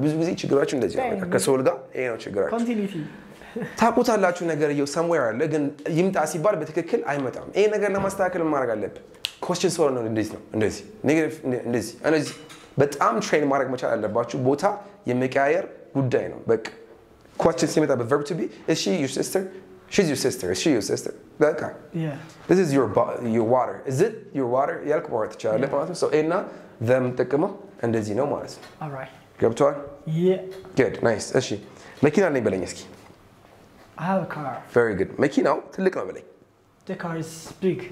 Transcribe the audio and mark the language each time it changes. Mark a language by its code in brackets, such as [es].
[am] ብዙ ጊዜ ችግራችሁ እንደዚህ አለ ከሶል ጋር ይሄ ነው ችግራችሁ. [en] Continuity. [am] ታቁታላችሁ ነገር እየው somewhere አለ ግን ይምጣ ሲባል በትክክል አይመጣም. ይሄ ነገር ለማስተካከል ማረጋለብ. Question solve ነው እንደዚህ ነው እንደዚህ. Negative እንደዚህ እንደዚህ. በጣም ትሬን ማድረግ መቻል አለባችሁ ቦታ የመቀያየር ጉዳይ ነው በቃ [en] question ሲመጣ በverb to be is she your sister she's your sister is she your sister that guy yeah this is your water is it your water [am] ያልክ ማለት ቻለ ማለት ነው so እና them ተቀመው እንደዚህ ነው ማለት ነው [en] all right [am] ገብቷል [en] yeah good nice [am] እሺ መኪና ላይ በለኝ እስኪ [en] I have a car very good [am] መኪናው ትልቅ ነው በለኝ [en] the car is big